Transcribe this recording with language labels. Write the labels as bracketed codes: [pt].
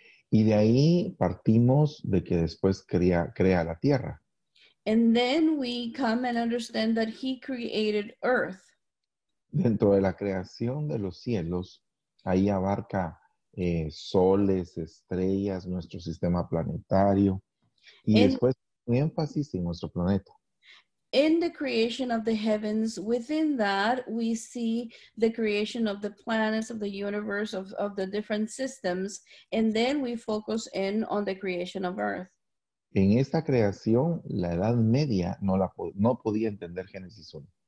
[es] Y de ahí partimos de que después crea la tierra. [en] And then we come and understand that he created earth. [es] Dentro de la creación de los cielos, ahí abarca soles, estrellas, nuestro sistema planetario, y después un énfasis en nuestro planeta. [en] In the creation of the heavens, within that, we see the creation of the planets, of the universe, of the different systems, and then we focus in on the creation of Earth. [es] En esta creación, la Edad Media no podía entender Génesis 1.